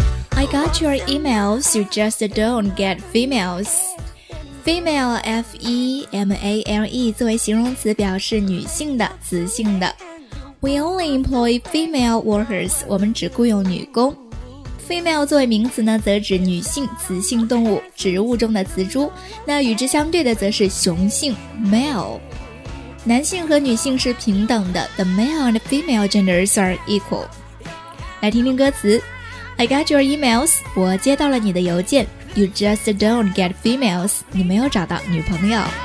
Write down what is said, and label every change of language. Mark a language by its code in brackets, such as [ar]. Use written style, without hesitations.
[en] I got your emails, you just don't get females. [zh] Female, F-E-M-A-L-E, 作为形容词表示女性的、雌性的。 [en] We only employ female workers, [zh] 我们只雇佣女工。 Female 作为名词呢，则指女性、雌性动物、植物中的雌株。那与之相对的则是雄性 ,male。男性和女性是平等的 [en] ,the male and female genders are equal。 [zh] 来听听歌词。 [en] I got your emails, [zh] 我接到了你的邮件。 [en] You just don't get females, [zh] 你没有找到女朋友。